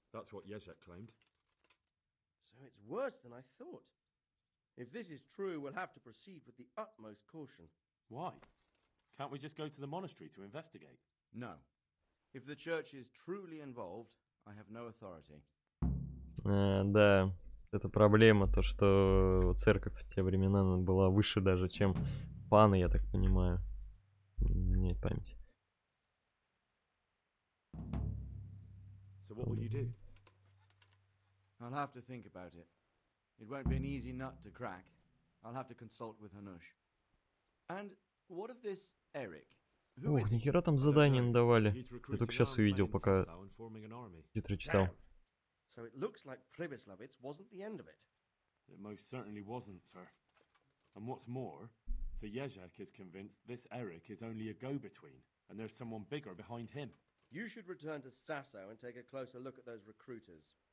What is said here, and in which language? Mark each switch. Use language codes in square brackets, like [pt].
[en] That's what Ежек claimed. So it's worse than I thought. If this is true, we'll have to proceed with the utmost caution. Why? Can't we just go to the monastery to investigate? No. If the church is truly involved, I have no authority. [ru] Да, это проблема, то, что церковь в те времена была выше даже, чем паны, я так понимаю. Нет памяти. [en] So what will you do? I'll have to think about it. It won't be an easy nut to crack. I'll have to consult with Hanush. And what of this Eric? [ru] Ох, нихера там задание надавали. Я только сейчас увидел, пока титры читал. [en] So it looks like Pribislavitz wasn't the end of it. It most certainly wasn't, sir. And what's more, so Ежек is convinced this Eric is only a go-between, and there's someone bigger behind him. You should return to Sasso and take a closer look at those recruiters.